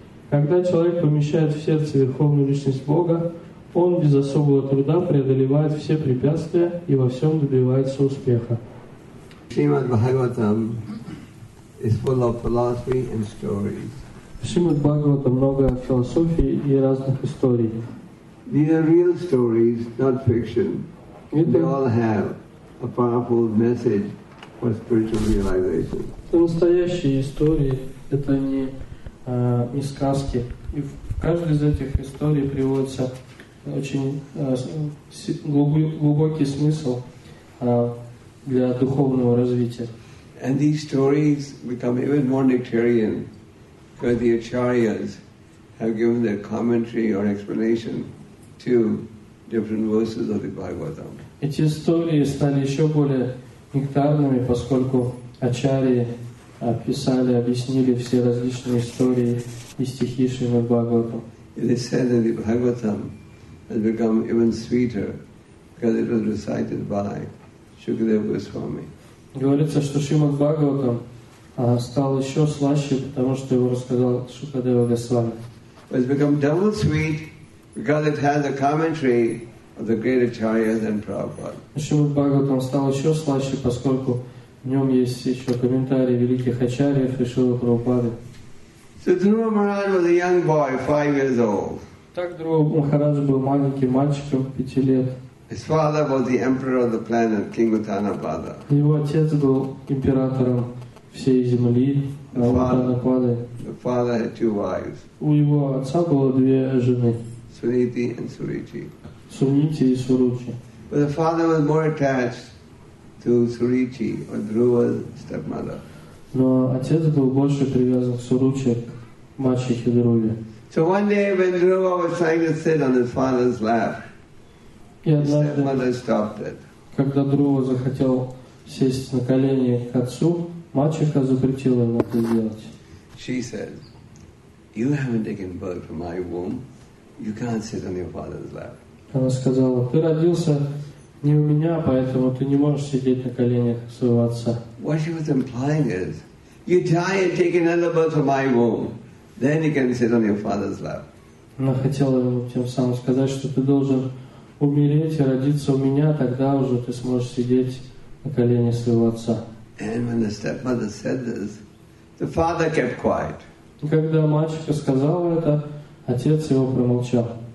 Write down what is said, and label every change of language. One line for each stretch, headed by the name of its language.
Russian: Когда человек помещает в сердце Верховную Личность Бога, он без особого труда преодолевает все препятствия и во всем добивается успеха.
English: Шримад-Бхагаватам is full of philosophy and stories.
Russian: В Шримад-Бхагаватам много философии и разных историй.
English: These are real stories, not fiction. They all have a powerful message for spiritual realization.
Russian: Это настоящие истории, это не сказки. И в каждой из этих историй приводится очень глубокий смысл для духовного развития.
English: And these stories become even more nectarian because the acharyas have given their commentary or explanation to different verses of the Bhagavatam.
Russian: Эти истории стали еще более нектарными, поскольку ачарьи описали, объяснили все различные истории и стихи Шримад Бхагаватам.
English: It is said that the Bhagavatam has become even sweeter because it was recited by Shukadeva Goswami.
Russian: Говорится, что Шримад Бхагаватам стал еще слаще, потому что его рассказал Шукадева Госвами.
English: It's become double sweet because it has a commentary of the great acharyas and Prabhupada.
Russian: Шримад Бхагаватам стал еще слаще, поскольку в нем есть еще комментарии великих ачарьев и Шрилы Прабхупады.
English: So Dhruva Maharaj was a young boy, 5 years old.
Russian: Так Дхрува Махарадж был маленьким мальчиком, 5 лет.
English: His father was the emperor of the planet, King Uttanapada.
Russian: Его отец был императором всей земли, Уттанапады.
English: The father had two wives.
Russian: У его отца было две жены.
English: Суниты and Суричи.
Russian: Сунити и Суручи.
English: But the father was more attached to Суричи, or Друва's stepmother.
Russian: Но отец был больше привязан к Суручи, к мачехе Друве.
English: So one day when Друва was trying to sit on his father's lap, his stepmother stopped it.
Russian: Когда Друва захотел сесть на колени к отцу, мачеха запретила ему это делать.
English: She said, "You haven't taken birth from my womb. You can't sit on your father's lap."
Russian: Она сказала, ты родился не у меня, поэтому ты не можешь сидеть на коленях своего отца.
English: What she was implying is, you die and take another birth from my womb, then you can sit on your father's lap.
Russian: Она хотела ему тем самым сказать, что ты должен умереть и родиться у меня, тогда уже ты сможешь сидеть на коленях своего отца.
English: And when the stepmother said this, the father kept quiet.
Russian: И когда мальчика сказала это, отец его промолчал.